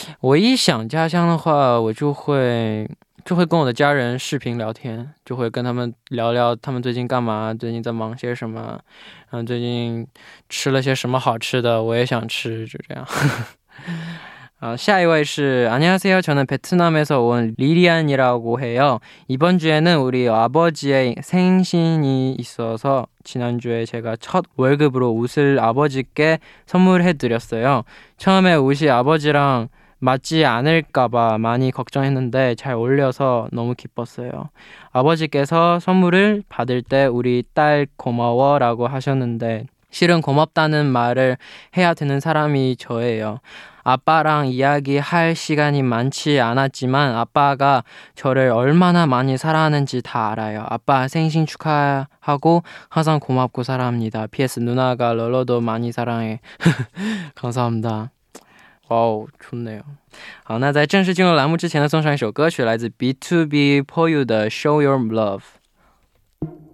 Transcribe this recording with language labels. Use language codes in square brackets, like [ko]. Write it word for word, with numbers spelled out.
[zh] 我一想家乡的话，我就会就会跟我的家人视频聊天，就会跟他们聊聊他们最近干嘛，最近在忙些什么，嗯，最近吃了些什么好吃的，我也想吃，就这样。 [ko] 아, [zh] 下一位是 [ko] 안녕하세요. 저는 베트남에서 온 리리안이라고 해요. 이번 주에는 우리 아버지의 생신이 있어서 지난주에 제가 첫 월급으로 옷을 아버지께 선물해드렸어요. 처음에 옷이 아버지랑 맞지 않을까봐 많이 걱정했는데 잘 어울려서 너무 기뻤어요. 아버지께서 선물을 받을 때 우리 딸 고마워라고 하셨는데 실은 고맙다는 말을 해야 되는 사람이 저예요. 아빠랑 이야기할 시간이 많지 않았지만 아빠가 저를 얼마나 많이 사랑하는지 다 알아요. 아빠 생신 축하하고 항상 고맙고 사랑합니다. P S 누나가 롤러도 많이 사랑해. 감사합니다. 哇哦，좋네요。 [zh] 好，那在正式进入栏目之前呢，送上一首歌曲，来自 B two B For You 的 Show Your Love。